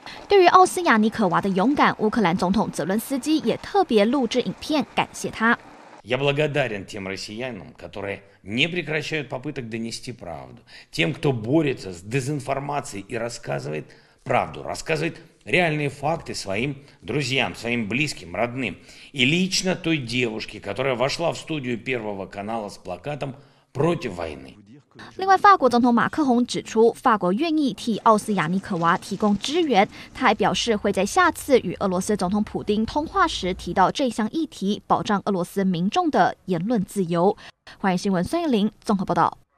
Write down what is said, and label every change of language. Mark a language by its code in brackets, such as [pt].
[zh] 对于奥斯亚尼可娃的勇敢，乌克兰总统泽伦斯基也特别录制影片感谢他。 [ru] Я благодарен тем россиянам, которые не прекращают попыток донести правду, тем, кто борется с дезинформацией и рассказывает правду, рассказывает реальные факты своим друзьям, своим близким, родным, и лично той девушке, которая вошла в студию Первого канала с плакатом против войны. [zh] 另外，法国总统马克宏指出，法国愿意替奥斯亚尼可娃提供支援。他还表示，会在下次与俄罗斯总统普丁通话时提到这项议题，保障俄罗斯民众的言论自由。欢迎新闻孙艺玲综合报道。